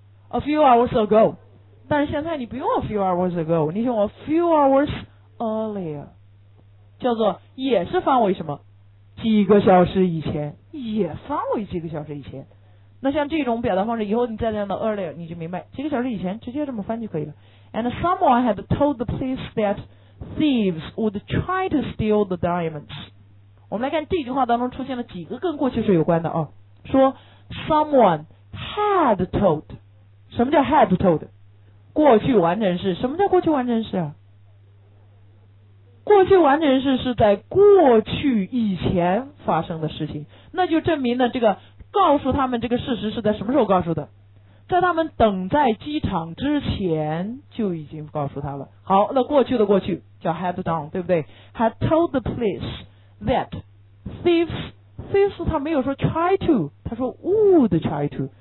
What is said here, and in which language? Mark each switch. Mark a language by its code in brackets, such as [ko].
[en] a few hours ago， [zh] 但是现在你不用 a few hours ago， 你用 [en] a few hours earlier， [zh] 叫做也是范围什么？几个小时以前，也范围几个小时以前。那像这种表达方式，以后你再讲到 earlier， 你就明白几个小时以前直接这么翻就可以了。 [en] And someone had told the police that thieves would try to steal the diamonds。 [zh] 我们来看这句话当中出现了几个跟过去式有关的啊，说 [en] someone had told， [zh] 什么叫 [en] had told？ [zh] 过去完整式。什么叫过去完整式啊？过去完成式是在过去以前发生的事情，那就证明了这个告诉他们这个事实是在什么时候告诉的？在他们等在机场之前就已经告诉他了。好，那过去的过去叫 [en] had done， [zh] 对不对？ [en] had told the police that thieves [zh] 他没有说 [en] try to， [zh] 他说 [en] would try to。